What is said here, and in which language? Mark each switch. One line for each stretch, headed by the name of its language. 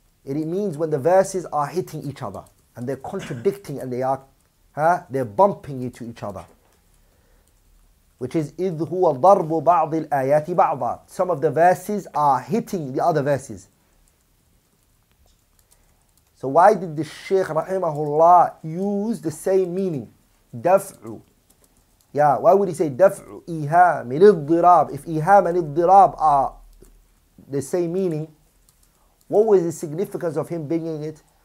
English: It means when the verses are hitting each other and they're contradicting and they're bumping into each other. Which is
Arabic: إذ هو ضرب بعض الآيات بعضا.
English: Some of the verses are hitting the other verses. So why did the Shaykh rahimahullah use the same meaning?
Arabic: دفعوا.
English: Yeah, why would he say
Arabic: دفعوا إيهام للضراب?
English: If إيهام and الضراب are the same meaning, what was the significance of him bringing it?